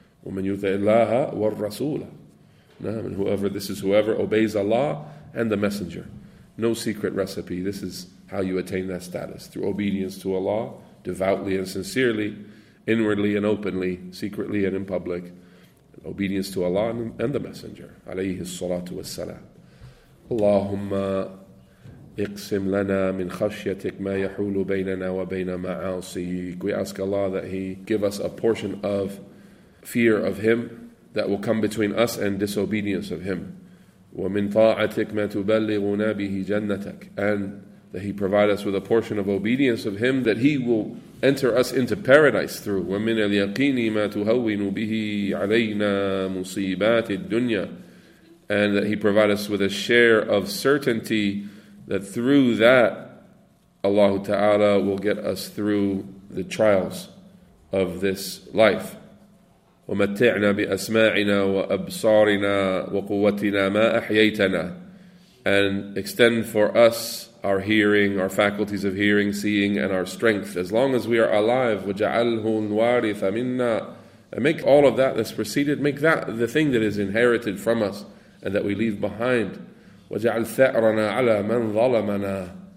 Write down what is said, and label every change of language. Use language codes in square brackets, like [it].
[ar] وَمَنْ يُتَعِ اللَّهَ وَالرَّسُولَ. [en] And whoever, this is whoever obeys Allah and the Messenger. No secret recipe. This is how you attain that status. Through obedience to Allah, devoutly and sincerely, inwardly and openly, secretly and in public. Obedience to Allah and the Messenger. [ar] عليه الصلاة والسلام. اللهم اقسم لنا من خشيتك ما يحول بيننا وبين معاصيك. [en] We ask Allah that He give us a portion of fear of Him that will come between us and disobedience of Him. [ar] وَمِنْ طَاعَتِكْ مَا تُبَلِّغُنَا بِهِ جَنَّتَكْ. [en] And that He provide us with a portion of obedience of Him that He will enter us into paradise through. [ar] وَمِنَ الْيَقِينِ مَا تُهَوِّنُ بِهِ عَلَيْنَا مُصِيبَاتِ الدُّنْيَا. [en] And that He provide us with a share of certainty that through that Allah Ta'ala will get us through the trials of this life. [ar] ومتعنا بأسماعنا وأبصارنا وقوتنا ما أحييتنا. [en] And extend for us our hearing, our faculties of hearing, seeing, and our strength as long as we are alive. [ar] وجعله الوارث منا. [en] And make all of that that's preceded, make that the thing that is inherited from us and that we leave behind. [ar] وجعل ثأرنا على من ظلمنا.